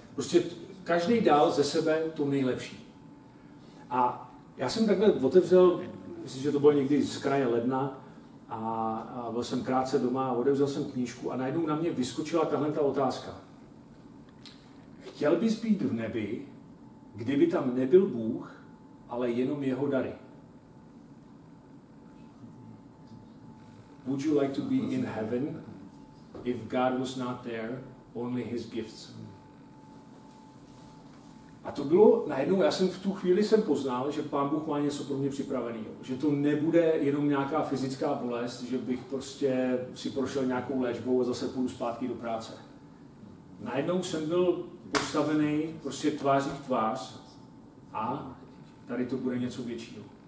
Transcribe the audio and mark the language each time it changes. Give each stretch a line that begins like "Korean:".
Czech: Prostě každý dal ze sebe to nejlepší. A já jsem takhle otevřel, myslím, že to bylo někdy z kraje ledna, a byl jsem krátce doma a odevřel jsem knížku a najednou na mě vyskočila tahle ta otázka. Chtěl bys být v nebi, kdyby tam nebyl Bůh, ale jenom jeho dary?
English: Would you like to be in heaven if God was not there, only his gifts?
Czech: A to bylo najednou, já jsem v tu chvíli jsem poznal, že Pán Bůh má něco pro mě připravený. Že to nebude jenom nějaká fyzická bolest, že bych prostě si prošel nějakou léčbou a zase půjdu zpátky do práce. Najednou jsem byl postavený prostě tváří v tvář a tady to bude něco většího.